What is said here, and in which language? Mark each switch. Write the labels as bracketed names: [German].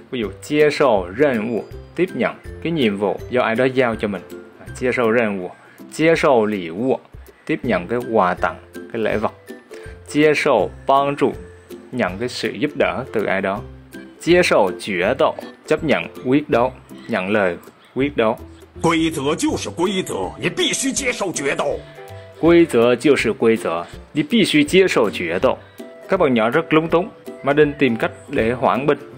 [Vietnamese] Ví dụ, [Chinese] 接受任务, [Vietnamese] tiếp nhận cái nhiệm vụ do ai đó giao cho mình. [Chinese] 接受任务, 接受礼物, [Vietnamese] tiếp nhận cái quà tặng, cái lễ vật. [Chinese] 接受帮助, [Vietnamese] nhận cái sự giúp đỡ từ ai đó. [Chinese] 接受决斗, [Vietnamese] chấp nhận quyết đấu, nhận lời quyết đấu. [Chinese] 规则就是规则, 你必须接受决斗. 规则就是规则, 你必须接受决斗。 [Vietnamese] Các bạn nhỏ rất lúng túng, Martin tìm cách để hoãn bình.